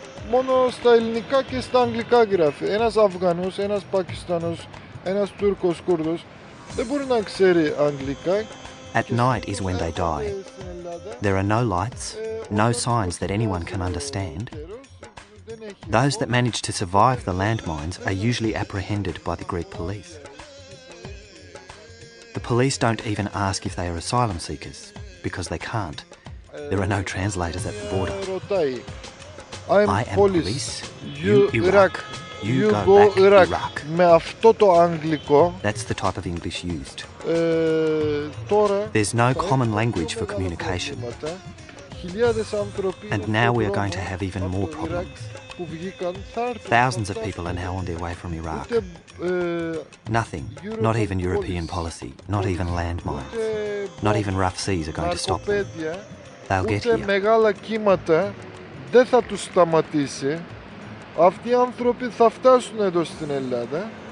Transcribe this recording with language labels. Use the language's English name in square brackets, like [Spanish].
[Greek] Μόνο στα ελληνικά και στα αγγλικά γράφει. Ένας Αφγανός, ένας Πακιστανός, ένας Τούρκος, Κούρδος δεν μπορεί να ξέρει αγγλικά [English] At night is when they die. There are no lights, no signs that anyone can understand. Those that manage to survive the landmines are usually apprehended by the Greek police. The police don't even ask if they are asylum seekers, because they can't. There are no translators at the border. I am police, you Iraq. You go back Iraq. [Greek] Με αυτό το αγγλικό, [English] that's the type of English used. [Greek] Τώρα, [English] there's no common language for communication. And now we are going to have even more problems. Thousands of people are now on their way from Iraq. Nothing, not even European policy, not even landmines, not even rough seas are going to stop them. They'll get here. [Greek] Μεγάλα κύματα δεν θα τους σταματήσει. Αυτοί οι άνθρωποι θα φτάσουν εδώ στην Ελλάδα.